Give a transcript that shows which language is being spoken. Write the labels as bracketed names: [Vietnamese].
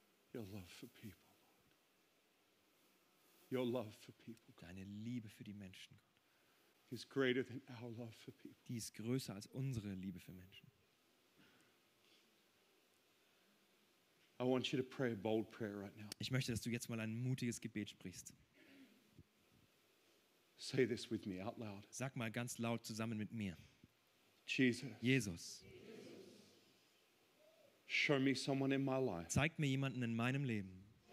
[English] Your love for people, Lord. Your love for people. [German] Deine Liebe für die Menschen, Gott. [English] Is greater than our love for people. [German] Die ist größer als unsere Liebe für Menschen. [English] I want you to pray a bold prayer right now. [German] Ich möchte, dass du jetzt mal ein mutiges Gebet sprichst. [English] Say this with me out loud. [German] Sag mal ganz laut zusammen mit mir. [English] Jesus. [German] Jesus. [English] Show me someone in my life. [German] Zeig mir jemanden in meinem Leben.